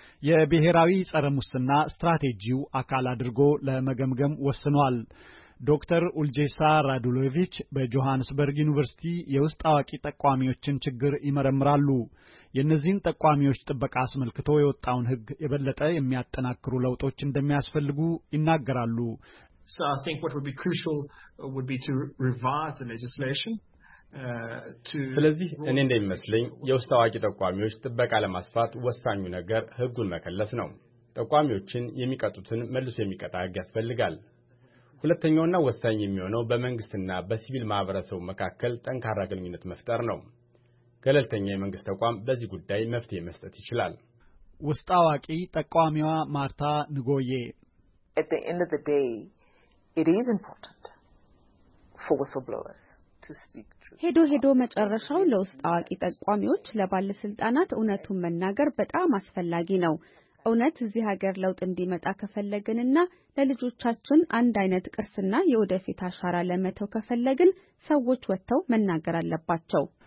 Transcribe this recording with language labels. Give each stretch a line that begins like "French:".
Amharic: የብሔራዊ ጸረ ሙስና ስትራቴጂው አካል አድርጎ ለመገምገም ወስኗል። ዶክተር ኡልጄሳ ራዱሎቪች በጆሃንስበርግ ዩኒቨርሲቲ የውስጥ አዋቂ ተቋማዎችን ችግር ይመረምራሉ። የነዚህን ተቋማዎች ጥበቃ አስመልክቶ የወጣውን ህግ የበለጠ የሚያጠናክሩ ለውጦች እንደሚያስፈልጉ ይናገራሉ።
English: So I think what would be crucial would be to revise the legislation
Amharic: ስለዚህ እኔ እንደምመስለኝ የውስጥ አዋቂ ተቋማዎች ጥበቃ ለማስፋት ወሳኙ ነገር ህጉን መከለስ ነው። ተቋማዎችን የሚቀጡትን መልሶ የሚቀጣ ህግ ያስፈልጋል። ሁለተኛውና ወሳኝ የሚሆነው በመንግስትና በሲቪል ማህበረሰብ መካከል ጠንካራ ግንኙነት መፍጠር ነው። ገለልተኛ የመንግስት ተቋም በዚህ ጉዳይ መፍትሄ መስጠት ይችላል። ውስጥ አዋቂ ተቋማዋ ማርታ ንጎዬ
English: At the end of the day it is important for whistleblowers to speak truth.
Amharic: ሄዶ ሄዶ መጨረሻው ለውስጥ አዋቂ ተቋማዎች ለባለስልጣናት እውነቱን መናገር በጣም አስፈላጊ ነው። እውነት እዚህ ሀገር ለውጥ እንዲመጣ ከፈለግንና ለልጆቻችን አንድ አይነት ቅርስና የወደፊት አሻራ ለመተው ከፈለግን ሰዎች ወጥተው መናገር አለባቸው።